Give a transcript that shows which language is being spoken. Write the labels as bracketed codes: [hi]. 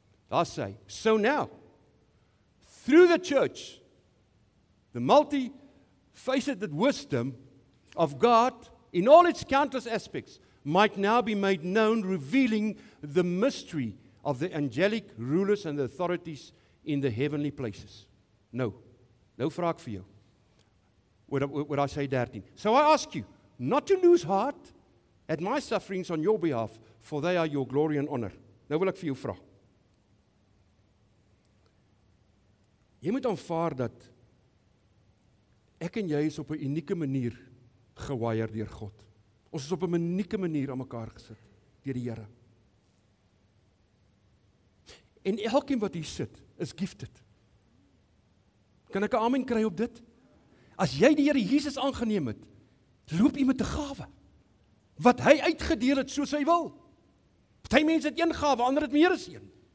[en] I say, so now, through the church, the multifaceted wisdom of God in all its countless aspects might now be made known, revealing the mystery of the angelic rulers and the authorities in the heavenly places. [af] Nou vraag ek vir jou. [en] What I say 13. So I ask you not to lose heart at my sufferings on your behalf, for they are your glory and honor. [af] Nou wil ek vir jou vra. Jy moet aanvaar dat ek en jy is op 'n unieke manier gewaier deur God. Ons is op 'n unieke manier aan mekaar gesit deur die Here. En elkeen wat hier sit, is gifted. Kan ek 'n amen kry op dit? As jy die Here Jesus aangeneem het, loop jy met 'n gawe wat hy uitgedeel het soos hy wil. Party mense het een gawe, ander het meer as een.